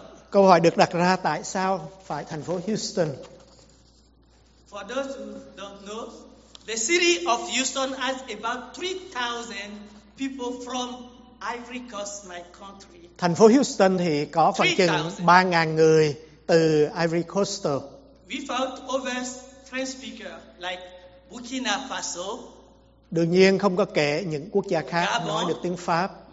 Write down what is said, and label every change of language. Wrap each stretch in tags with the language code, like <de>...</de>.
<vi>Câu hỏi được đặt ra tại sao phải thành phố Houston?</vi> <en>For those who don't know, the city of Houston has about 3,000 people from Ivory Coast, my country.</en> <vi>Thành phố Houston thì có khoảng chừng 3,000 người từ Ivory Coast.</vi> <en>Without over French speaker like Burkina Faso.</en> <vi>Đương nhiên không có kể những quốc gia khác Gabon, nói được tiếng Pháp.</vi>